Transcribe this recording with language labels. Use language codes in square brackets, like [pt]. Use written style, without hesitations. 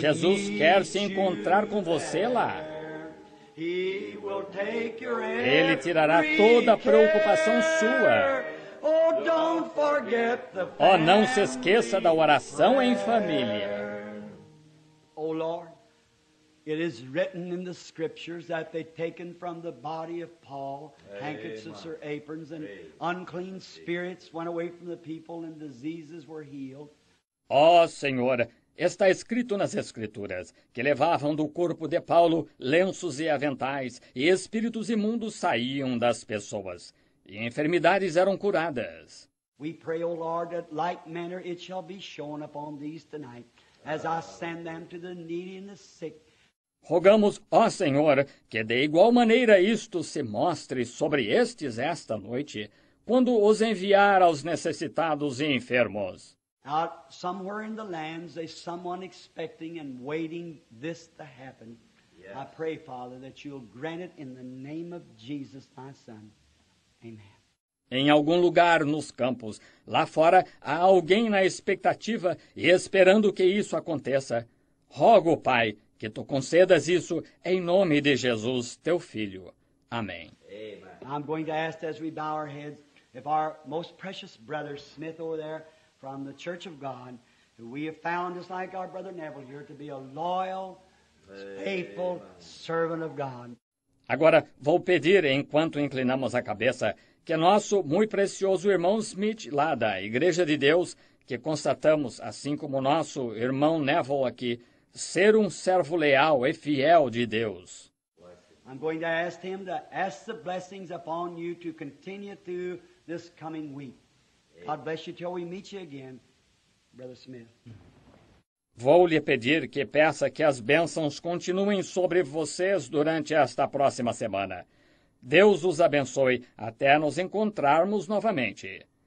[pt] Jesus quer se encontrar com você lá. [en] He will take your [pt] Ele tirará toda a preocupação [en] care. [pt] Sua. [en] Oh, don't forget the family. [pt] Oh, não se esqueça da oração em família. [en] Oh Lord, it is written in the scriptures that they taken from the body of Paul handkerchiefs or aprons and unclean spirits went away from the people and diseases were healed. [pt] Oh Senhor, está escrito nas escrituras que levavam do corpo de Paulo lenços e aventais e espíritos imundos saíam das pessoas e enfermidades eram curadas. [en] We pray, O Lord, that like manner it shall be shown upon these tonight. As I send them to the needy and the sick. [pt] Rogamos, ó Senhor, que de igual maneira isto se mostre sobre estes esta noite, quando os enviar aos necessitados e enfermos. [en] Out somewhere in the lands, there's someone expecting and waiting this to happen. Yes. I pray, Father, that you'll grant it in the name of Jesus, my Son. Amen. [pt] Em algum lugar nos campos, lá fora, há alguém na expectativa e esperando que isso aconteça. Rogo, Pai, que tu concedas isso em nome de Jesus, teu Filho. Amém. [en] I'm going to ask as we bow our heads, if our most precious brother Smith over there from the Church of God, who we have found just like our brother Neville here, to be a loyal, faithful servant of God. [pt] Agora, vou pedir, enquanto inclinamos a cabeça, que nosso muito precioso irmão Smith, lá da Igreja de Deus, que constatamos, assim como nosso irmão Neville aqui, ser um servo leal e fiel de Deus. [en] I'm going to ask him to ask the blessings upon you to continue through this coming week. God bless you till we meet you again, Brother Smith. [pt] Vou lhe pedir que peça que as bênçãos continuem sobre vocês durante esta próxima semana. Deus os abençoe até nos encontrarmos novamente.